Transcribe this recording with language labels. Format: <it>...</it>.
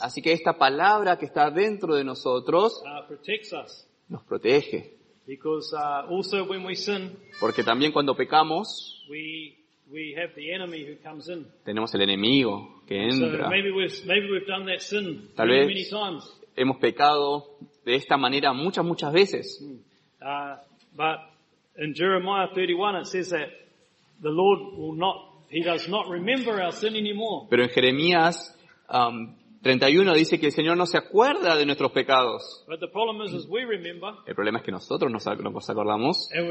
<es>así que esta palabra que está dentro de nosotros</es> <en>protects us.</en> <es>Nos protege.</es> <en>Because also when we sin,</en> <es>porque también cuando pecamos,</es> <en>we have the enemy who comes in.</en> <es>Tenemos el enemigo que entra.</es> <en>So maybe we've done that sin many times.</en> <es>Hemos pecado de esta manera muchas veces.</es> <en>But in Jeremiah 31 it says that the Lord will not, he does not remember our sin anymore.</en> <es>Pero en Jeremías 31 dice que el Señor no se acuerda de nuestros pecados. El problema es que nosotros no nos acordamos.</es>